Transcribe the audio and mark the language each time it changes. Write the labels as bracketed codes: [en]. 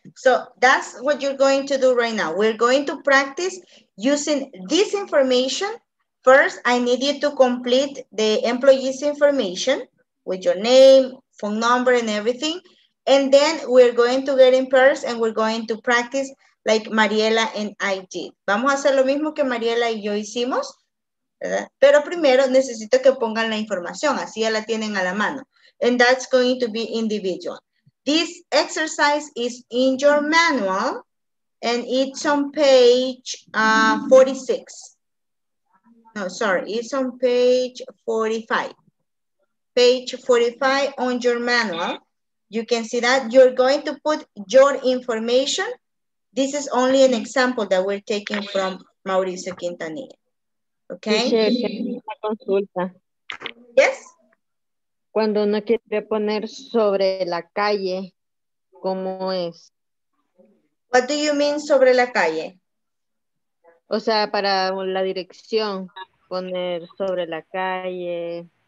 [en] So that's what you're going to do right now. We're going to practice using this information. First, I need you to complete the employee's information with your name, phone number, and everything. And then we're going to get in pairs and we're going to practice like Mariela and I did. [es] Vamos a hacer lo mismo que Mariela y yo hicimos, ¿verdad? Pero primero necesito que pongan la información, así ya la tienen a la mano. [en] And that's going to be individual. This exercise is in your manual and it's on page 46. No, sorry, it's on page 45. Page 45 on your manual. You can see that you're going to put your information. This is only an example that we're taking from Mauricio Quintanilla. Okay? [es] Una consulta. [en] Yes? [es] Cuando uno quiere poner sobre la calle, ¿cómo es? [en] What do you mean [es] sobre la calle? O sea, para la dirección, poner sobre la calle.